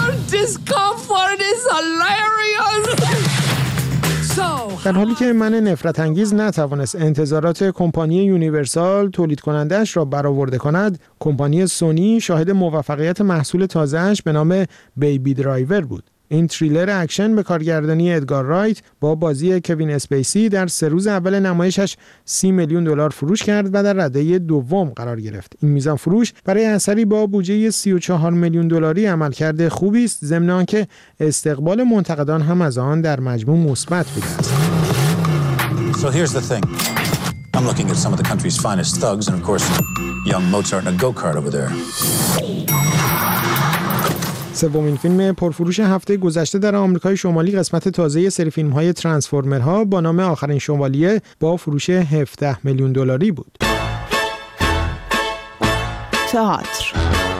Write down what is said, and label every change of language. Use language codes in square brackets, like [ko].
[en] Discomfort is hilarious. [fa] در حالی که من نفرت انگیز نتوانست انتظارات کمپانی یونیورسال تولید کنندش را برآورده کند، کمپانی سونی شاهد موفقیت محصول تازه‌اش به نام بیبی درایور بود. این تریلر اکشن به کارگردانی ادگار رایت با بازی کوین اسپیسی در سه روز اول نمایشش 30 میلیون دلار فروش کرد و در رده دوم قرار گرفت. این میزان فروش برای اثری با بودجه 34 میلیون دلاری عملکرد خوبی است، ضمن آنکه استقبال منتقدان هم از آن در مجموع مثبت بوده است. [en] So here's the thing. I'm looking at some of the country's finest thugs and of course young Mozart in a go-kart over there. [fa] سومین فیلم پرفروش هفته گذشته در آمریکای شمالی قسمت تازه سری فیلم‌های ترانسفورمرها با نام آخرین شوالیه با فروش 17 میلیون دلاری بود. تئاتر.